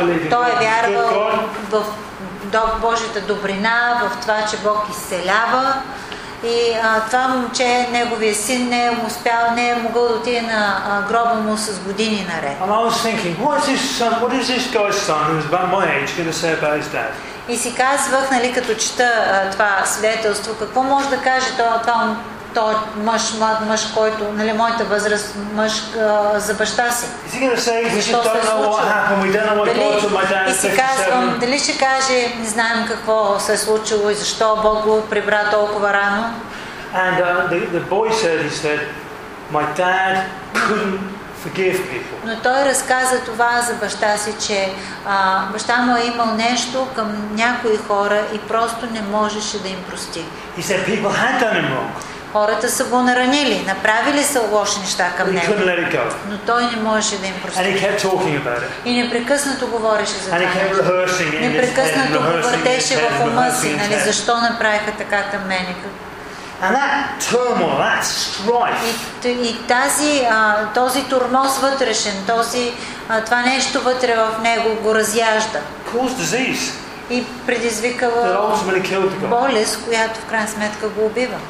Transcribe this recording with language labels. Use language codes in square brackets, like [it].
[bg] Той е вярвал в Божията добрина, в това, че Бог изцелява. И това момче, неговия син, не е успял, не е могъл да отиде на гроба му с години наред. [en] And I was thinking, what is this guy's son who's about my age going to say about his dad? [bg] И си казвах, нали, като чета това свидетелство, какво може да каже този мъж, млад мъж, който, нали, моята възраст, мъж за баща си. И си казвам, дали ще каже, не знаем какво се е случило и защо Бог го прибра толкова рано. [en] And the boy said, he said, my dad couldn't forgive people. [bg] Но той разказа това за баща си, че баща му е имал нещо към някои хора и просто не можеше да им прости. [en] He said people had done him wrong. [bg] Хората са го наранили, направили са лоши неща към него. Но той не можеше да им прости. И непрекъснато говореше за това. Непрекъснато въртеше в ума си, нали, защо направиха така към мене. [en] And that turmoil, that strife. [bg] И тази този турмоз вътрешен, този това нещо вътре в него го разяжда. [en] Caused disease. [bg] И предизвикава болест, която в крайна сметка го убива.